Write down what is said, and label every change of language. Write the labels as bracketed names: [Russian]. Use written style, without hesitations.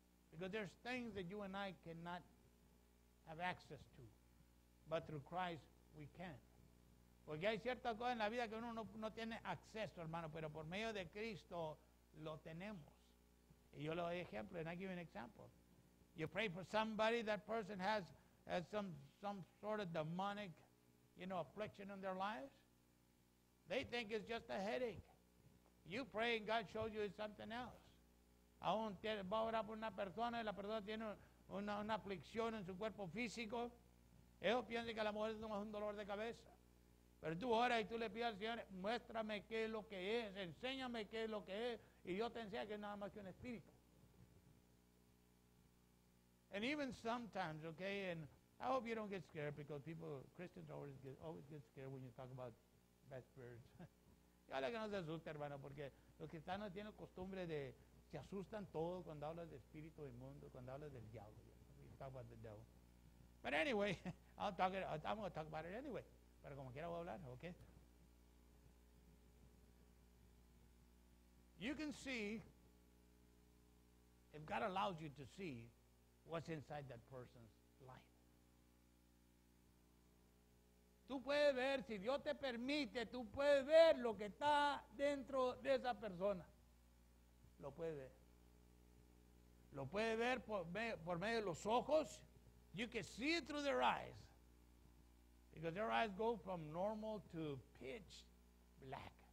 [English] Because there's things that you and I cannot have access to. But through Christ, we can. [Spanish] Porque hay ciertas cosas en la vida que uno no tiene acceso, hermano, pero por medio de Cristo lo tenemos. Y yo le doy ejemplo, [English] and I give you an example. You pray for somebody, that person has some sort of demonic, you know, affliction in their lives. They think it's just a headache. You pray and God shows you it's something else. [Spanish] Aún va a orar por una persona y la persona tiene una aflicción en su cuerpo físico. Ellos piensan que a lo mejor es un dolor de cabeza. Pero tú oras y tú le pides al Señor, muéstrame qué es lo que es, enséñame qué es lo que es, y yo te enseño que es nada más que un espíritu. [English] And even sometimes, okay, and I hope you don't get scared because people, Christians always get scared when you talk about bad spirits. [Spanish] Yo le que no se asuste, hermano, porque los cristianos tienen la costumbre de se asustan todo cuando hablas de espíritu inmundo, cuando hablas del diablo. [English] We talk about the devil. But anyway, I'm going to talk about it anyway. [Spanish] Pero como quiera voy a hablar, ¿ok? [English] You can see, if God allows you to see, what's inside that person's life. [Spanish] Tú puedes ver, si Dios te permite, tú puedes ver lo que está dentro de esa persona. Lo puedes ver. Lo puedes ver por medio de los ojos. [English] You can see it through their eyes. Because their eyes go from normal to pitch black.